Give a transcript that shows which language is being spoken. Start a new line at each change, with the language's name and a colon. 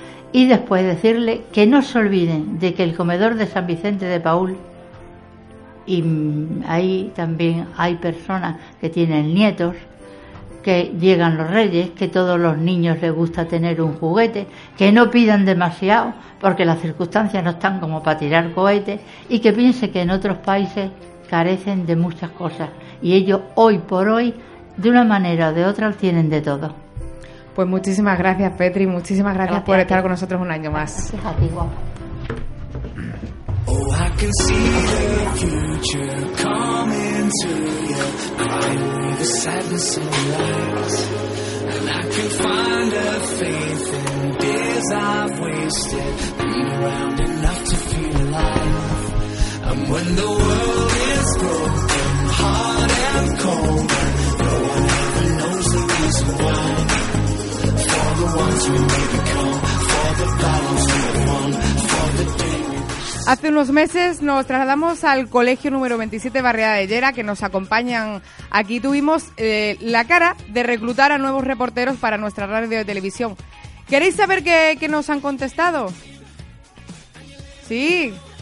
Spanish: Y después decirle que no se olviden de que el comedor de San Vicente de Paul, y ahí también hay personas que tienen nietos, que llegan los reyes, que todos los niños les gusta tener un juguete, que no pidan demasiado porque las circunstancias no están como para tirar cohetes, y que piense que en otros países carecen de muchas cosas y ellos hoy por hoy, de una manera o de otra, tienen de todo. Pues muchísimas gracias, Petri, muchísimas gracias por estar con nosotros un año más. Gracias a ti, guapo.
English: Oh, I can see the future coming to you, crying with the sadness and lies. And I can find a faith in days I've wasted, being around enough to feel alive. And when the world is broken, hard and cold, no one ever knows the reason why. For the ones we may become, for the battles we have won, for the day.
Spanish: Hace unos meses nos trasladamos al colegio número 27 Barriada de Llera, que nos acompañan aquí. Tuvimos la cara de reclutar a nuevos reporteros para nuestra radio de televisión. ¿Queréis saber qué nos han contestado? ¿Sí?